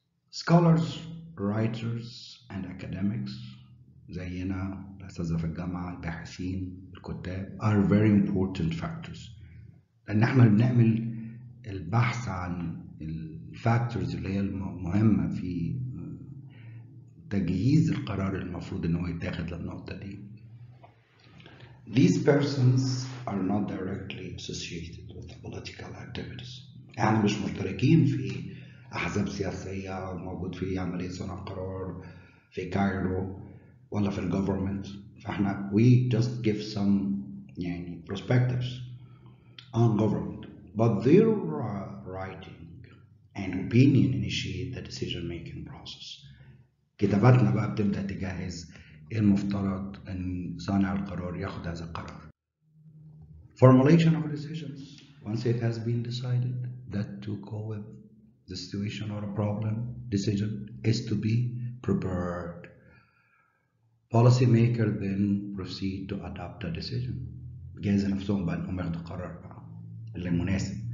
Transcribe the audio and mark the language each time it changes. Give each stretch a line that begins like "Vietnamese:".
English: Scholars, writers, and academics,
Arabic: زينا الأساتذة في الجامعة، الباحثين، الكتاب,
English: are very important factors.
Arabic: لأن احنا بنعمل البحث عن الفاكتورز اللي هي المهمة في تجهيز القرار المفروض إن هو يتاخد للنقطة دي.
English: These persons are not directly associated with political activities.
Arabic: يعني مش مشتركين في أحزاب سياسية موجود في عملية صنع قرار في كايرو ولا في الجوفرمنت. فاحنا
English: we just give some
Arabic: يعني
English: perspectives on government. But their writing and opinion initiate the decision making process.
Arabic: كتاباتنا بقى بتبدأ تجهز المفترض أن صانع القرار ياخد هذا القرار.
English: Formulation of decisions. Once it has been decided that to go with the situation or a problem, decision is to be prepared. Policy maker then proceed to adopt a decision.
Arabic: جهز نفسهم بقى انهم ياخدوا قرار اللي مناسب.